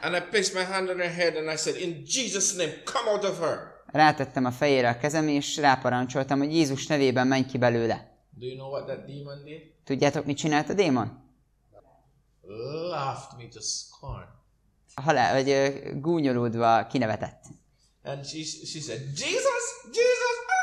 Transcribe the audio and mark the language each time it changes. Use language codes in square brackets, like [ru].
[en] And I placed my hand on her head and I said, in Jesus' name, come out of her. [hu] Rátettem a fejére a kezem és ráparancsoltam, hogy Jézus nevében menj ki belőle. [en] Do you know what that demon did? [hu] Tudjátok, mit csinált a démon? [en] Laughed me to scorn. [hu] Vagy gúnyolódva kinevetett. [en] And she said, Jesus, Jesus.